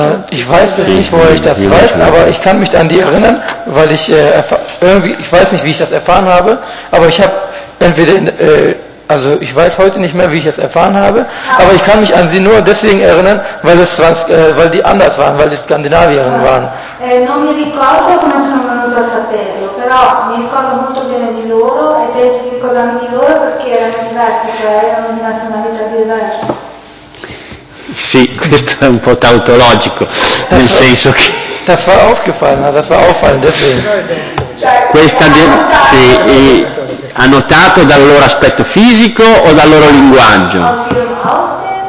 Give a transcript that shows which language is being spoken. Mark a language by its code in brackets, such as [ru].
[de] Ich weiß das nicht, woher ich das weiß, aber ich kann mich an die erinnern, weil ich irgendwie, ich weiß nicht, wie ich das erfahren habe, aber ich habe entweder, also ich weiß heute nicht mehr, wie ich das erfahren habe, aber ich kann mich an sie nur deswegen erinnern, weil es war, weil die anders waren, weil die Skandinavierinnen waren. [it] Non mi ricordo come sono venuto a saperlo, però mi ricordo molto bene di loro e penso di ricordarmi di loro perché erano diversi, cioè erano di nazionalità diverse. Sì, questo è un po' tautologico, [de] das [it] nel senso che... [de] Das war aufgefallen, das war auffallend. [it] Questa sì, ha notato dal loro aspetto fisico o dal loro linguaggio?